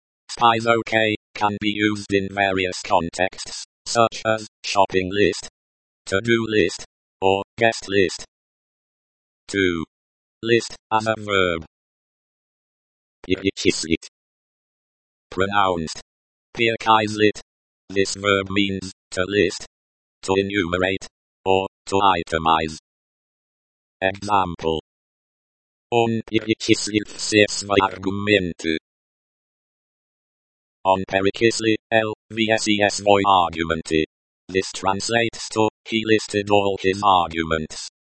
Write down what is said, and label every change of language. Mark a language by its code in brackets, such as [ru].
[en] Spies okay, can be used in various contexts, such as, shopping list, to-do list, or, guest list. 2. List, as a verb. Перечислит. Pronounced. Перечислит. This verb means, to list, to enumerate, or, to itemize. Example. [ru] Он перечислил все свои аргументы. Он перечислил все свои аргументы. [en] This translates to, he listed all his arguments.